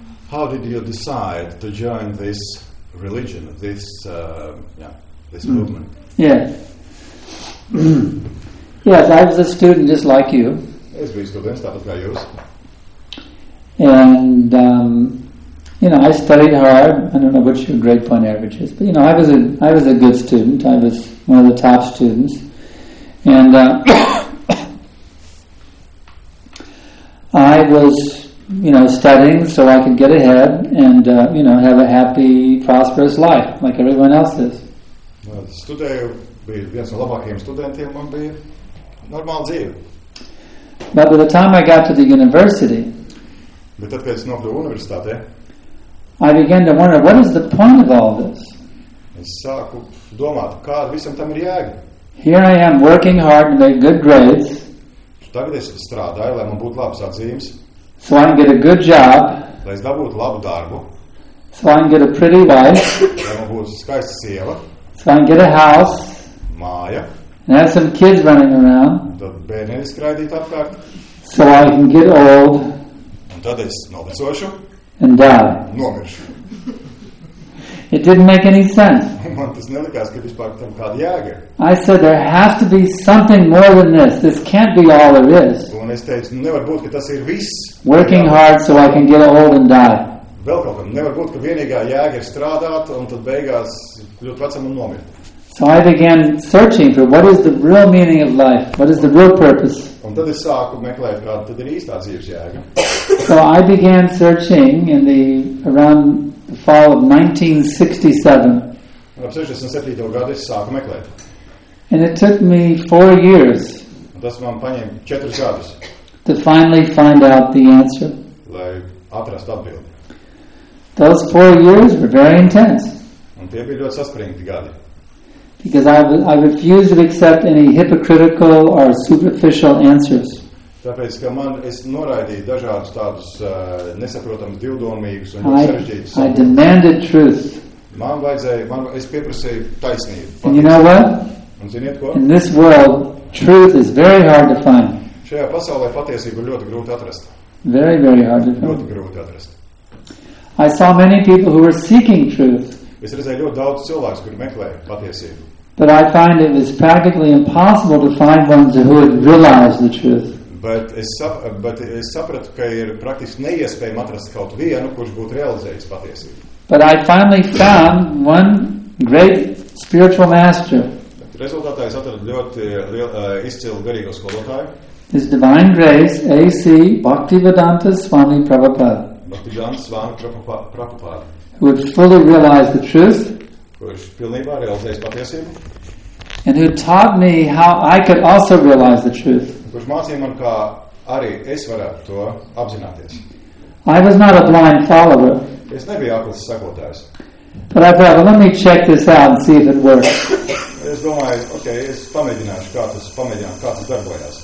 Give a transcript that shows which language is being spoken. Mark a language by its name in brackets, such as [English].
[English] How did you decide to join this religion, this movement? Yes. Yes, I was a student just like you. [Latvian] Es biju students, tāpat kā jūs. [English] And I studied hard. I don't know what your grade point average is, but I was a good student. I was one of the top students, and I was, studying so I could get ahead and have a happy, prosperous life like everyone else is. [Latvian] Studēju, biju viens no labākajiem studentiem, man bija normāla dzīve. [English] But by the time I got to the university, [Latvian] bet tad, kad es nokļuvu universitātē, [English] I began to wonder, what is the point of all this? [Latvian] Es sāku domāt, kā visam tam ir jēga. [English] Here I am working hard to make good grades. [Latvian] Tagad es strādāju, lai man būtu labas atzīmes. [English] So I can get a good job. [Latvian] Lai es dabūtu labu darbu. [English] So I can get a pretty wife. [Latvian] Lai man būtu skaista sieva. [English] So I can get a house. [Latvian] Māja. [English] And have some kids running around. [Latvian] Tad bērnēni skraidīt apkārt. [English] So I can get old. [Latvian] Un tad es novecošu. [English] And die. [Latvian] Nomiršu. [English] It didn't make any sense. [Latvian] Man tas nelikās, ka vispār tam kāda jēga. [English] I said, there has to be something more than this. This can't be all there is. [Latvian] Un es teicu, nevar būt, ka tas ir viss. [English] Working hard so I can get old and die. [Latvian] Vēl kaut kam. Nevar būt, ka vienīgā jēga ir strādāt un tad beigās ļoti vecam un nomirt. [English] So I began searching for what is the real meaning of life? What is the real purpose? [Latvian] Un tad es sāku meklēt, kāda tad ir īstā dzīves jēga. [English] So I began searching in the around the fall of 1967. [Latvian] Ap 67. Gadu es sāku meklēt. [English] And it took me 4 years. [Latvian] Tas man paņēma 4 gadus. [English] To finally find out the answer. [Latvian] Lai atrastu atbildi. [English] Those 4 years were very intense. [Latvian] Un tie bija ļoti saspringti gadi. [English] Because I refused to accept any hypocritical or superficial answers. [Latvian] Tāpēc, ka man, es noraidīju dažādus tādus nesaprotamus divdomīgus un sarežģītus. [English] I demanded truth. [Latvian] Man vajadzēja, es pieprasīju taisnību. [English] And you know what? [Latvian] Un ziniet ko? [English] In this world, truth is very hard to find. [Latvian] Šajā pasaulē patiesību ļoti grūti atrast. [English] Very, very hard to find. [Latvian] Ļoti grūti atrast. [English] I saw many people who were seeking truth. [Latvian] Es redzēju ļoti daudz cilvēku, kuri meklē patiesību. [English] But I find it is practically impossible to find ones who had realized the truth. [Latvian] Bet es sapratu, ka ir praktiski neiespējami atrast kaut vienu, kurš būtu realizējis patiesību. [English] But I finally found one great spiritual master. [Latvian] Bet rezultātā es atradu ļoti izcilu garīgo skolotāju. [English] His divine grace, A.C. Bhaktivedanta Swami Prabhupada. [Latvian] Bhaktivedanta Swami Prabhupada. [English] Who had fully realized the truth. [Latvian] Kurš pilnībā realizējis patiesību. [English] And who taught me how I could also realize the truth. [Latvian] Kurš mācīja man, kā arī es varētu to apzināties. [English] I was not a blind follower. [Latvian] Es nebiju aklis sekotājs. [English] But I thought, let me check this out and see if it works. [Latvian] Es domāju, okay, es pamēģināšu, kā tas darbojas.